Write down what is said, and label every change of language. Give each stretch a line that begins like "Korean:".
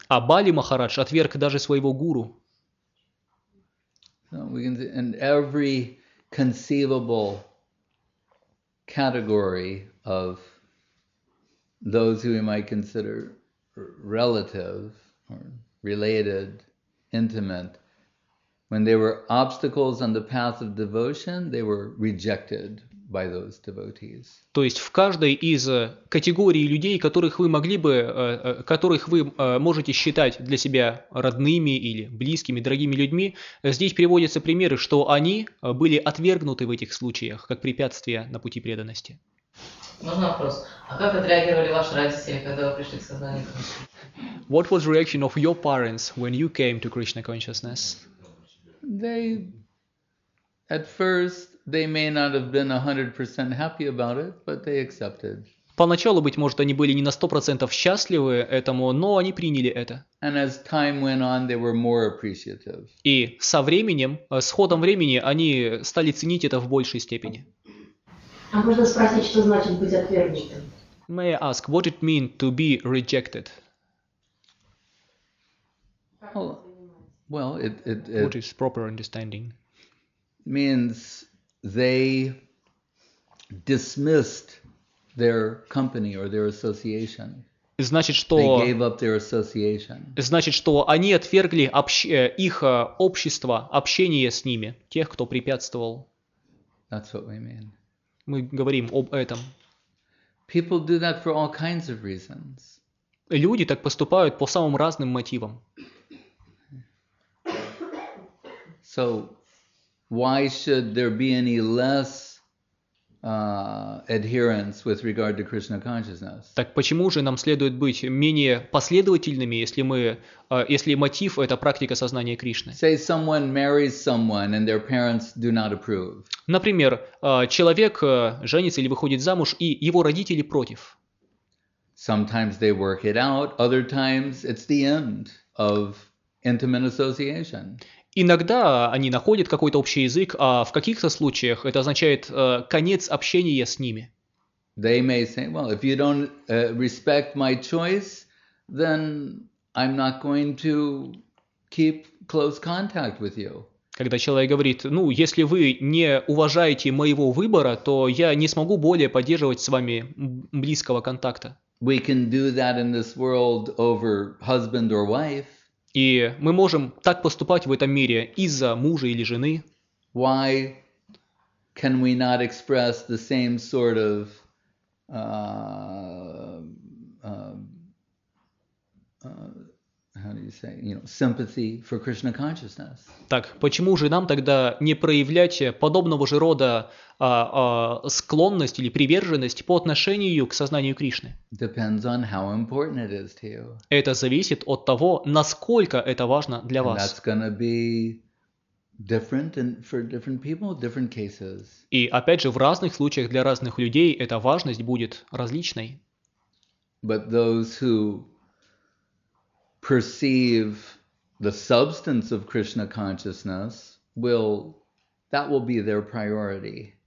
Russian: А Бали Махарадж отверг даже своего гуру.
English: So we can see, and every conceivable category of those who we might consider relative or related, intimate, when they were obstacles on the path of devotion, they were rejected by those devotees.
Russian: То есть в каждой из категорий людей, которых вы могли бы, которых вы можете считать для себя родными или близкими, дорогими людьми, здесь приводятся примеры, что они были отвергнуты в этих случаях как препятствие на пути преданности. Можно вопрос? А как отреагировали ваши родители, когда вы пришли к сознанию?
English: What was the reaction of your parents when you came to Krishna consciousness? At first, they may not have been 100% happy about it, but they accepted.
Russian: Поначалу, быть может, они были не на 100% счастливы этому, но они приняли это.
English: And as time went on, they were more appreciative.
Russian: И со временем, с ходом времени, они стали ценить это в большей степени. А можно спросить, что значит быть отвергнутым?
English: May I ask, what it mean to be rejected? Well, what is proper understanding? Means they dismissed their company or their association.
Russian: Значит, что
English: they gave up their association.
Russian: Значит, что они отвергли их общество, общение с ними, тех, кто препятствовал.
English: That's what we mean.
Russian: Мы говорим об этом.
English: People do that for all kinds of reasons.
Russian: Люди так поступают по самым разным мотивам.
English: So why should there be any less adherence with regard to Krishna consciousness?
Russian: Так почему же нам следует быть менее последовательными, если мы, если мотив – это практика сознания Кришны?
English: Say someone marries someone and their parents do not approve.
Russian: Например, человек женится или выходит замуж, и его родители против.
English: Sometimes they work it out, other times it's the end of intimate association.
Russian: Иногда они находят какой-то общий язык, а в каких-то случаях это означает конец общения с ними.
English: They may say, well, if you don't respect my choice, then I'm not going to keep close contact with you.
Russian: Когда человек говорит, ну, если вы не уважаете моего выбора, то я не смогу более поддерживать с вами близкого контакта.
English: We can do that in this world over husband or wife.
Russian: И мы можем так поступать в этом мире из-за мужа или жены.
English: Why can we not express the same sort of how do you say, you know, sympathy for Krishna consciousness?
Russian: Так, почему же нам тогда не проявлять подобного же рода склонность или приверженность по отношению к сознанию Кришны?
English: Depends on how important it is to you.
Russian: Это зависит от того, насколько это важно для вас.
English: And that's gonna be different and for different people, different cases.
Russian: И опять же, в разных случаях для разных людей эта важность будет различной.
English: But those who perceive the substance of Krishna consciousness will, that will be their priority.